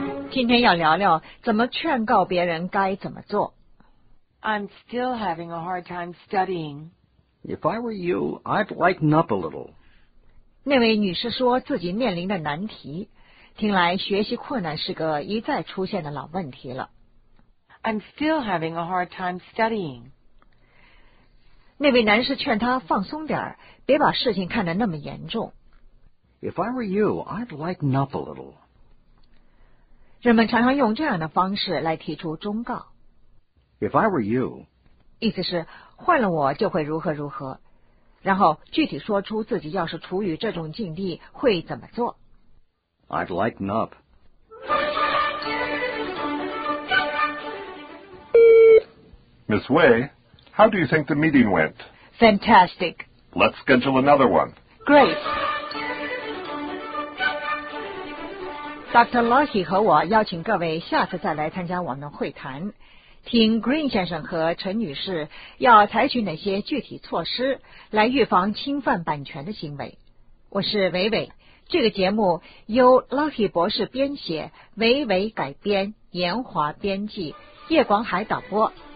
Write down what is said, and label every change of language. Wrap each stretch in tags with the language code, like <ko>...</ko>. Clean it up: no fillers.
<zh>今天要聊聊怎么劝告别人该怎么做。</zh> <en>I'm still having a hard time studying. If I were you, I'd lighten up a little.</en> <zh>那位女士说自己面临的难题，听来学习困难是个一再出现的老问题了。</zh> <en>I'm still having a hard time studying.</en> <zh>那位男士劝她放松点儿，别把事情看得那么严重。</zh> <en>If I were you, I'd lighten up a little.</en> <zh>人们常常用这样的方式来提出忠告。</zh> <en>If I were you,</en> <zh>意思是换了我就会如何如何，然后具体说出自己要是处于这种境地会怎么做。</zh> <en>I'd lighten up. Miss Wei, how do you think the meeting went? Fantastic. Let's schedule another one. Great. Dr.</en> <zh>Lockie 和我邀请各位下次再来参加我们的会谈。听 Green 先生和陈女士要采取哪些具体措施来预防侵犯版权的行为。我是维维，这个节目由 Lucky 博士编写，维维改编，严华编辑，叶广海导播。</zh>